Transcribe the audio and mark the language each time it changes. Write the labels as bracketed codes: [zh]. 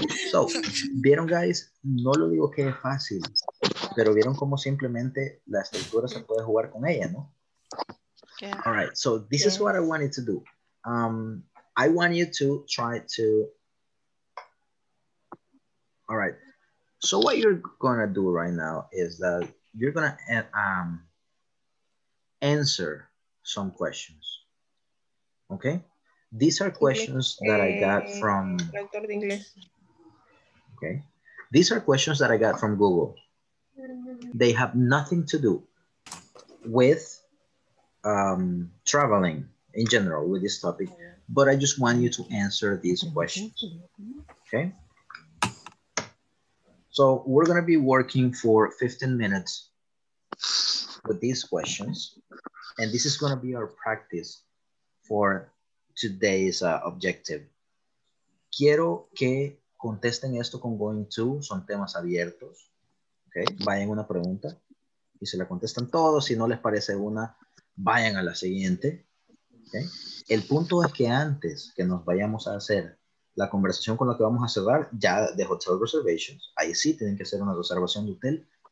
[es] So, vieron, guys, no lo digo que es fácil, pero vieron cómo simplemente la estructura se puede jugar con ella, ¿no? [en] Yeah. All right, so this is what I wanted to do. I want you to try to. All right, so what you're gonna do right now is that you're gonna answer some questions. Okay, these are questions that I got from. Okay, these are questions that I got from Google. They have nothing to do with traveling in general with this topic, but I just want you to answer these questions. Okay, so we're gonna be working for 15 minutes with these questions, and this is gonna be our practice for today's objective. [es] Quiero que contesten esto con going to, son temas abiertos. Okay. Vayan una pregunta y se la contestan todos. Si no les parece una, vayan a la siguiente. Okay. El punto es que antes que nos vayamos a hacer la conversación con la que vamos a cerrar, ya de hotel reservations, ahí sí tienen que hacer una reservación de hotel.